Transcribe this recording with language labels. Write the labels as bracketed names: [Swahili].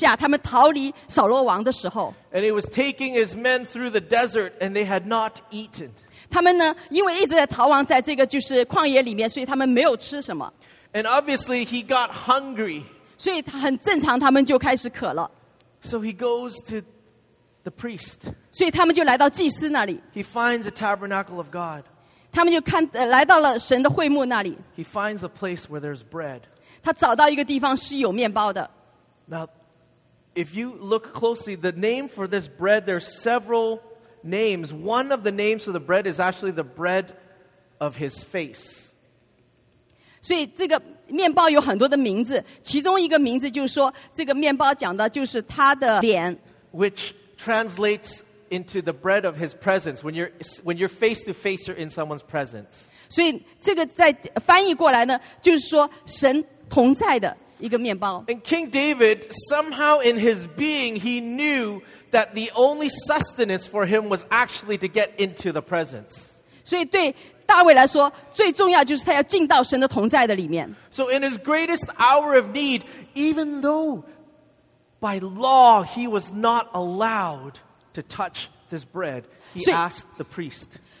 [Chinese] 想到大卫王和他的属下，他们逃离扫罗王的时候。 [English] And he was taking his men through the desert and they had not eaten. [Chinese] 他们呢，因为一直在逃亡在这个就是旷野里面，所以他们没有吃什么。 [English] And obviously he got hungry. [Chinese] 所以很正常，他们就开始渴了。 [English] So he goes to the priest. [Chinese] 所以他们就来到祭司那里。 [English] He finds a tabernacle of God. [Chinese] 他们就来到了神的会幕那里。 [English] He finds a place where there's bread. [Chinese] 他找到一个地方是有面包的。 [English] Now, if you look closely, the name for this bread, there's several names. One of the names for the bread is actually the bread of his face. [Chinese] 所以这个面包有很多的名字，其中一个名字就是说这个面包讲的就是他的脸， [English] which translates into the bread of his presence. When you're face to face, you're in someone's presence. [Chinese] 所以这个在翻译过来呢，就是说神同在的。 [English] And King David, somehow in his being, he knew that the only sustenance for him was actually to get into the presence. [Chinese] 所以对大卫来说, [English] so in his greatest hour of need, even though by law he was not allowed to touch this bread, he asked the priest.